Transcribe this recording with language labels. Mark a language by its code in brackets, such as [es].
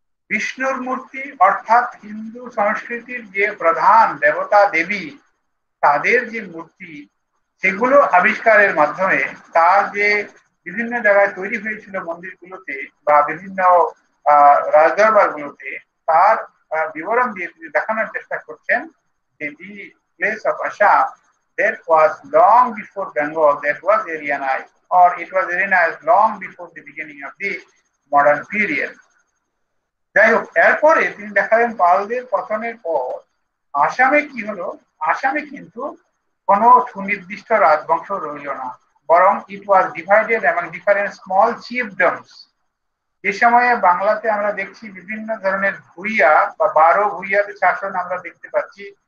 [bn] বিষ্ণুর মূর্তি, অর্থাৎ হিন্দু সংস্কৃতির যে প্রধান দেবতা দেবী তাদের যে মূর্তি সেগুলো আবিষ্কারের মাধ্যমে, তার যে বিভিন্ন জায়গায় তৈরি হয়েছিল মন্দিরগুলোতে বা বিভিন্ন রাজদরবারগুলোতে, তার বিবরণ দিয়ে তিনি দেখানোর চেষ্টা করছেন যে [en] The place of Assam there was long before Bengal, there was Aryanized, or it was Aryanized long before the beginning of the modern period. [bn] যাই হোক, এরপরে তিনি দেখালেন পালদের পতনের পর আসামে কি হলো। আসামে কিন্তু কোন সুনির্দিষ্ট রাজবংশ রইল না, বরং [en] it was divided [bn] এবং [en] Different small chiefdoms. [bn] এ সময়ে বাংলাতে আমরা দেখছি বিভিন্ন ধরনের ভূইয়া বা বারো ভূইয়াদের শাসন আমরা দেখতে পাচ্ছি।